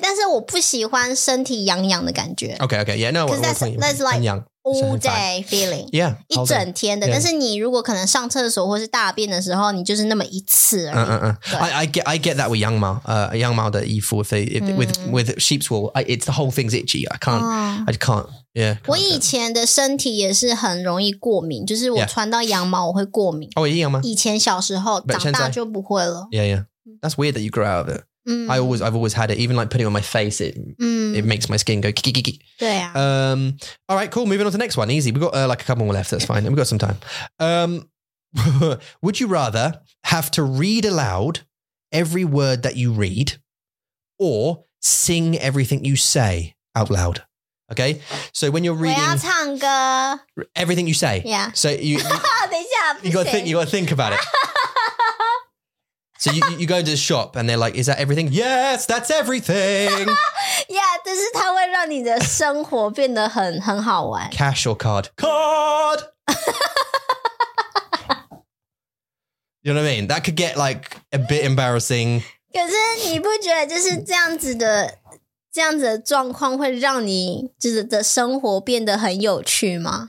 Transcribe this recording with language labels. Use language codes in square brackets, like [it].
[zh] 但是我不喜欢身体痒痒的感觉。 [en] Okay, yeah, no, that's like all day feeling. Yeah, [zh] 一整天的。但是你如果可能上厕所或是大便的时候, 你就是那么一次而已。 [en] I get that with 羊毛, 羊毛的衣服, with sheep's wool, it's the whole thing's itchy. I just can't. Yeah, [zh] 我以前的身体也是很容易过敏 就是我穿到羊毛我会过敏哦,一样吗? 以前小时候长大就不会了 [en] Yeah, yeah. That's weird that you grow out of it. I've always had it. Even like putting it on my face, it makes my skin go kiki-kiki. Alright, cool. Moving on to the next one. Easy. We've got like a couple more left. That's fine. We've got some time. Would you rather have to read aloud every word that you read or sing everything you say out loud? Okay, so when you're reading, [zh] 我要唱歌. [en] Everything you say. Yeah. So you. [zh] 等一下, [en] you gotta think. You gotta think about it. So you go into the shop and they're like, "Is that everything?" Yes, that's everything. [zh] Yeah, 但是它会让你的生活变得很好玩. [en] Cash or card? Card. You know what I mean? That could get like a bit embarrassing. [zh] 可是你不觉得就是这样子的？这样子的状况会让你就是的生活变得很有趣吗？